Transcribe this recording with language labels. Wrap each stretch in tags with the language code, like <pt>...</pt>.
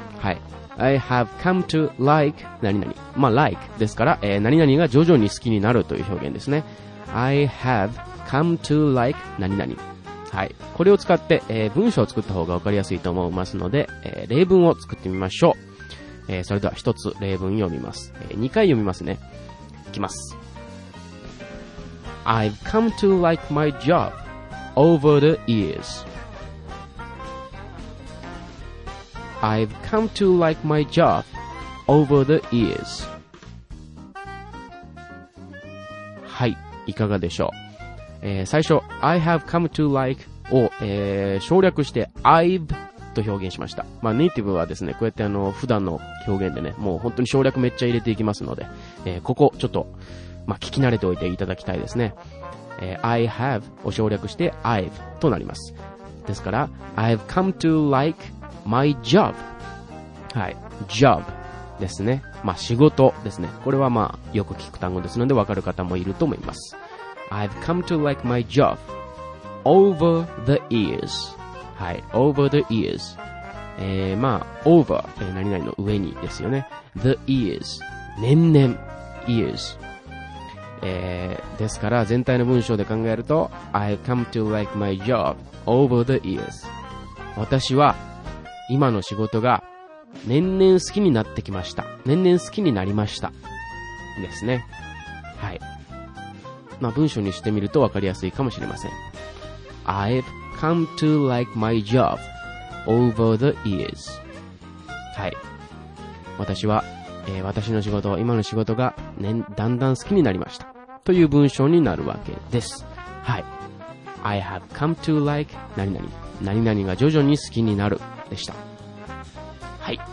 <ja>はい、</ja> <en>I have come to like</en> <ja>何々、まあ</ja> <en>like</en> <ja>ですから、何々が徐々に好きになるという表現ですね。</ja> <en>I have come to like 何々。</en> <ja>はい、これを使って、文章を作った方が分かりやすいと思いますので、例文を作ってみましょう。それでは一つ例文読みます。 2回読みますね。いきます。</ja> <en>I've come to like my job over the years. I've come to like my job over the years.</en> <ja>はい、いかがでしょう。最初</ja> <en>I have come to like</en> <ja>を、省略して I've と表現しました。まあネイティブはですね、こうやって普段の表現でね、もう本当に省略めっちゃ入れていきますので、ここちょっと、まあ聞き慣れておいていただきたいですね。</ja> <en>I have</en> <ja>を省略して</ja> <en>I've</en> <ja>となります。ですから</ja> <en>I've come to like my job。</en> <ja>はい、 job ですね。まあ仕事ですね。これはまあよく聞く単語ですので、わかる方もいると思います。</ja> <en>I've come to like my job over the years.</en> <ja>はい、</ja> <en>over the years.</en> <ja>まあ、</ja> <en>over、</en> <ja>何々の上にですよね。</ja> <en>the years.</en> <ja>年々、</ja> <en>years。</en> <ja>ですから、全体の文章で考えると、</ja> <en>I've come to like my job over the years.</en> <ja>私は、今の仕事が、年々好きになってきました。年々好きになりました。ですね。はい。まあ、文章にしてみると分かりやすいかもしれません。</ja> <en>I've come to like my job over the years.</en> <ja>はい。私は、私の仕事、今の仕事が、ね、だんだん好きになりました。という文章になるわけです。はい。</ja> <en>I have come to like</en> <ja>何々。何々が徐々に好きになるでした。はい。</ja>